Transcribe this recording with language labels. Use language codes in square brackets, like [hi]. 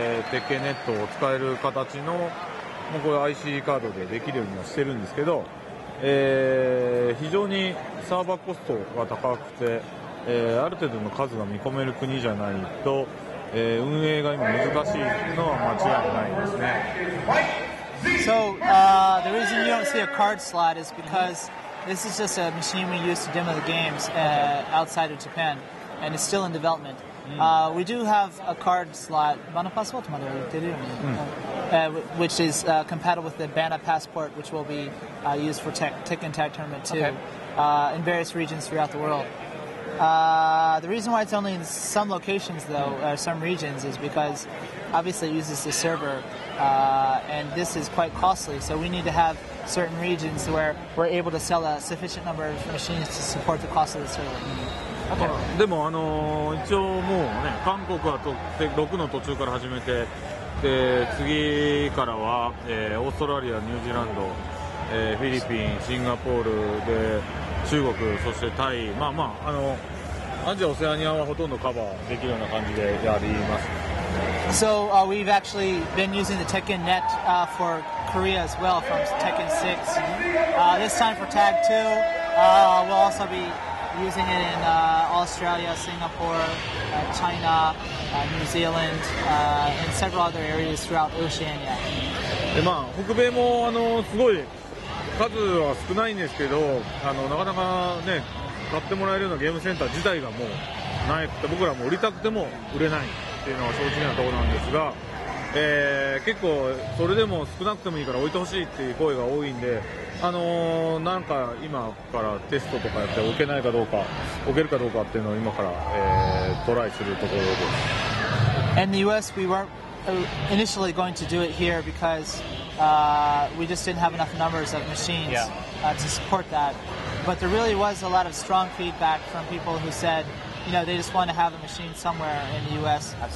[ja] 鉄拳ネットを使える形のもうこれ IC カードでできるようにはしてるんですけど、非常にサーバーコストが高くて、ある程度の数が見込める国じゃないと、運営が今難しいのは間違いないですね。 [en] So, the reason you don't see a card slot is because this is just a machine we use to demo the games outside of Japan and it's still in developmentWe do have a card slot, Bana Passport, which is compatible with the Bana Passport, which will be used for Tekken Tag Tournament 2 in various regions throughout the world. The reason why it's only in some locations, though, some regions, is because obviously it uses the server, and this is quite costly, so we need to have certain regions where we're able to sell a sufficient number of machines to support the cost of the server. Mm-hmm. Okay. [ja] でも、一応もうね、韓国は6の途中から始めて、で次からは、オーストラリア、ニュージーランド、フィリピン、シンガポールで、中国、そしてタイ、まあまあ、アジア、オセアニアはほとんどカバーできるような感じでやります。 [en] So, we've actually been using the Tekken net, for Korea as well from Tekken 6. This time for Tag 2, we'll also beusing it in Australia, Singapore, China, New Zealand, and several other areas throughout Oceania. [ja] で、まあ、北米もすごい数は少ないんですけど、なかなかね、買ってもらえるようなゲームセンター自体がもうないって、僕らも売りたくても売れないっていうのは正直なところなんですが、結構それでも少なくてもいいから置いてほしいっていう声が多いんで、なんか今からテストとかやって置けないかどうか置けるかどうかっていうのを今から、トライするところです。 [en] In the US we weren't initially going to do it here because we just didn't have enough numbers of machines to support that, but there really was a lot of strong feedback from people who said, you know, they just want to have a machine somewhere in the US.